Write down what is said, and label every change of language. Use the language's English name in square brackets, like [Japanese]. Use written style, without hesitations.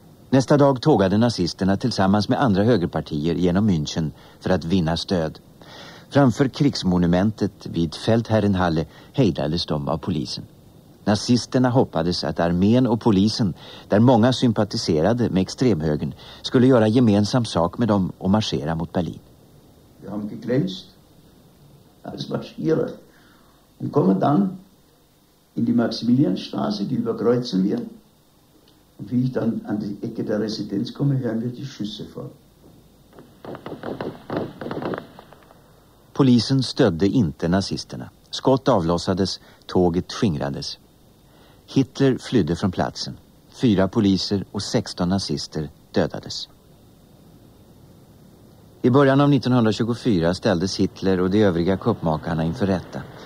[Swedish] Nästa dag tågade nazisterna tillsammans med andra högerpartier genom München för att vinna stöd. Framför krigsmonumentet vid Feldherrenhalle hejdades de av polisen. Nazisterna hoppades att armén och polisen, där många sympatiserade med extremhögern, skulle göra gemensam sak med dem och marschera mot Berlin. [German] Vi har geglänzt als Marschierer und kommen dann in die Maximilianstraße, die überkreuzen wir. Und wie ich dann an die Ecke der Residenz komme, hören wir die Schüsse vor. [Swedish] Polisen stödde inte nazisterna. Skott avlossades, tåget skingrades. Hitler flydde från platsen. 4 poliser och 16 nazister dödades. I början av 1924 ställdes Hitler och de övriga kuppmakarna inför rätta.